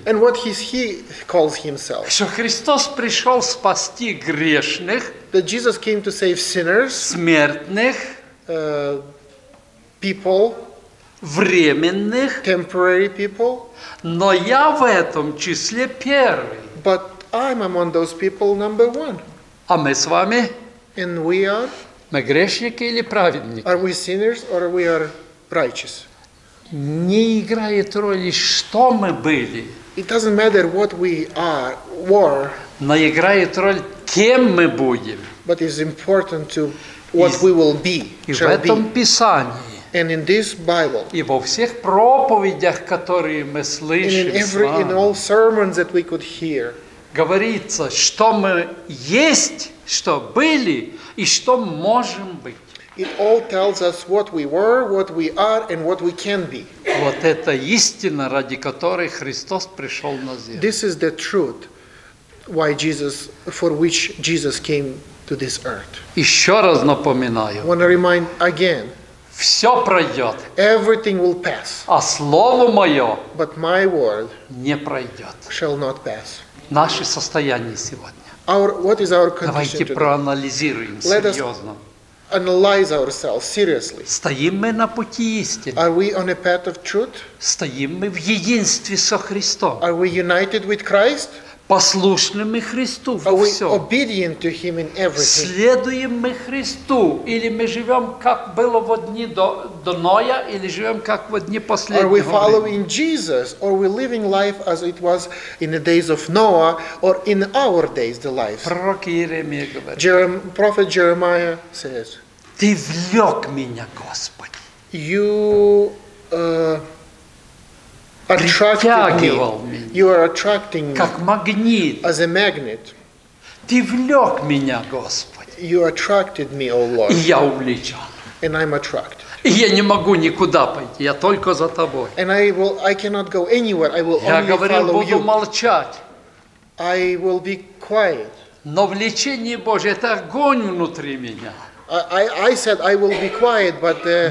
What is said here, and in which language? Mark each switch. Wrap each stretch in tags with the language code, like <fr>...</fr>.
<en>And what he calls himself?</en> <ru>Что Христос пришел спасти грешных?</ru> <en>That Jesus came to save sinners.</en> <ru>Смертных?</ru> <en>People.</en> <ru>Временных?</ru> <en>Temporary people.</en> <ru>Но я в этом числе первый.</ru> <en>But I'm among those people number one.</en> <ru>А мы с вами?</ru> <en>And we are.</en> <ru>Мы грешники или праведники?</ru> <en>Are we sinners or we are righteous?</en> <ru>Не играет роли, что мы были.</ru> <en>It doesn't matter what we are, were.</en> <ru>Но играет роль, кем мы будем.</ru> <en>But it's important to what we will be, shall be.</en> <ru>И в этом Писании.</ru> <en>And in this Bible.</en> <ru>И во всех проповедях, которые мы слышим.</ru> <en>In all sermons that we could hear.</en> <ru>Говорится, что мы есть, что были и что можем быть.</ru> <en>It all tells us what we were, what we are, and what we can be.</en> <ru>Вот это истина, ради которой Христос пришел на землю.</ru> <en>This is the truth for which Jesus came to this earth.</en> <ru>Еще раз напоминаю.</ru> <en>I want to remind again.</en> <ru>Все пройдет.</ru> <en>Everything will pass.</en> <ru>А слово мое</ru> <en>But my word</en> <ru>не пройдет.</ru> <en>Shall not pass.</en> <ru>Наше состояние сегодня.</ru> <en>Our, what is our condition</en> <ru>Давайте</ru> <en>today?</en> <ru>Проанализируем</ru> <en>Let</en> <ru>серьезно.</ru> <en>Analyze ourselves seriously.</en> <ru>Стоим мы на пути истины?</ru> <en>Are we on a path of truth?</en> <ru>Стоим мы в единстве со Христом?</ru> <en>Are we united with Christ?</en> <ru>Послушны мы Христу во всем?</ru> <en>Obedient to him in everything?</en> <ru>Следуем мы Христу? Или мы живем, как было в дни до Ноя, или живем, как в дни последнего?</ru> <en>Are we following Jesus, or are we living life as it was in the days of Noah, or in our days, the life?</en> <ru>Пророк Иеремия говорит.</ru> <en>Prophet Jeremiah says,</en> <ru>Ты влек меня, Господи.</ru> <en>You...</en> <ru>Притягивал меня,</ru> <en>you are attracting me,</en> <ru>как магнит,</ru> <en>as a magnet.</en> <ru>Ты влек меня, Господи,</ru> <en>you attracted me, O Lord,</en> <ru>и я увлечен,</ru> <en>and I'm attracted.</en> <ru>И я не могу никуда пойти, я только за Тобой.</ru> <en>And I cannot go anywhere, I will</en> <ru>я</ru> <en>only</en> <ru>говорил,</ru> <en>follow</en> <ru>буду</ru> <en>you.</en> <ru>Молчать.</ru> <en>I will be quiet.</en> <ru>Но влечение Божье – это огонь внутри меня.</ru> <en>I said I will be quiet, but</en>